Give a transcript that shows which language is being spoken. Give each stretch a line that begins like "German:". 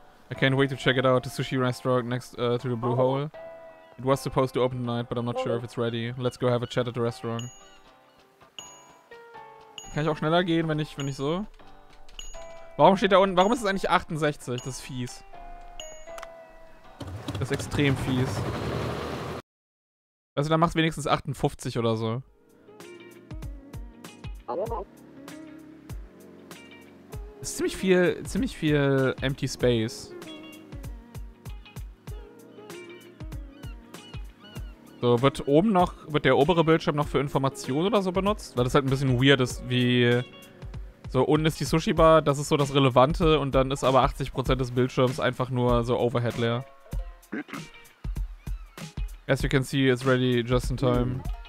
English: I can't wait to check it out, the sushi restaurant next to the blue hole. It was supposed to open tonight, but I'm not sure if it's ready. Let's go have a chat at the restaurant.
German: Kann ich auch schneller gehen, wenn ich so? Warum steht da unten? Warum ist es eigentlich 68? Das ist fies. Das ist extrem fies. Also dann macht's wenigstens 58 oder so. Das ist ziemlich viel
English: empty space.
German: So, wird oben noch, wird der obere Bildschirm noch für Informationen oder so benutzt? Weil das halt ein bisschen weird ist, wie... So, unten ist die Sushi-Bar, das ist so das Relevante und dann ist aber 80% des Bildschirms einfach nur so Overhead-Layer.
English: As you can see, it's ready just in time.